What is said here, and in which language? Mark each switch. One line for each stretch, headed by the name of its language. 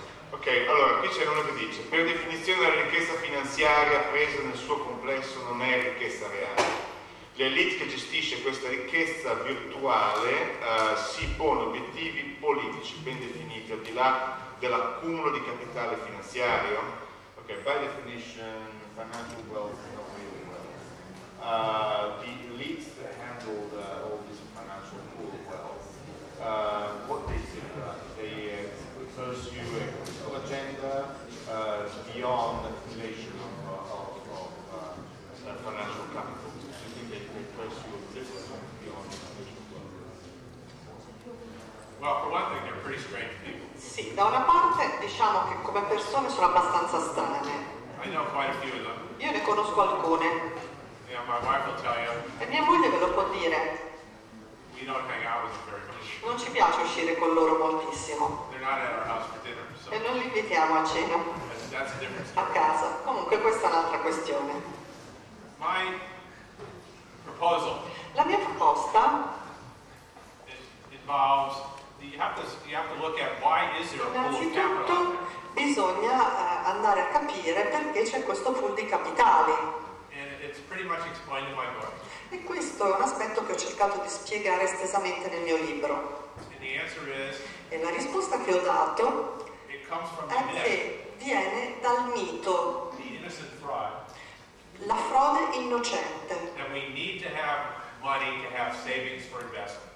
Italian: Ok, allora qui c'è uno che dice: per definizione la ricchezza finanziaria presa nel suo complesso non è ricchezza reale. L'elite che gestisce questa ricchezza virtuale si pone obiettivi politici ben definiti al di là dell'accumulo di capitale finanziario.
English: Ok, by definition financial wealth is not really wealth. The elites that handle all this financial pool of wealth, what they do, they pursue a political agenda beyond the accumulation of financial capital. So I think they pursue a different one beyond financial wealth. Well, for one thing, they're pretty strange people.
Italian: Sì, da una parte diciamo che come persone sono abbastanza strane.
English: I know quite a few of them.
Italian: Io ne conosco alcune.
English: Yeah, my wife will tell you.
Italian: E mia moglie ve lo può dire.
English: We don't hang out with them very much.
Italian: Non ci piace uscire con loro moltissimo.
English: They're not at our house for dinner, so.
Italian: E non li invitiamo a cena.
English: That's a different story.
Italian: A casa. Comunque questa è un'altra questione.
English: My proposal.
Italian: La mia proposta
English: involves. You have to look at why is there a pool of capital?
Italian: Innanzitutto bisogna andare a capire perché c'è questo pool di capitali.
English: And it's pretty much explained in my book.
Italian: E questo è un aspetto che ho cercato di spiegare estesamente nel mio libro.
English: And the answer is,
Italian: e la risposta che ho dato
English: it comes from
Italian: è
English: the myth.
Italian: Che viene dal mito.
English: The innocent fraud.
Italian: La frode innocente.
English: That we need to have money to have savings for investment.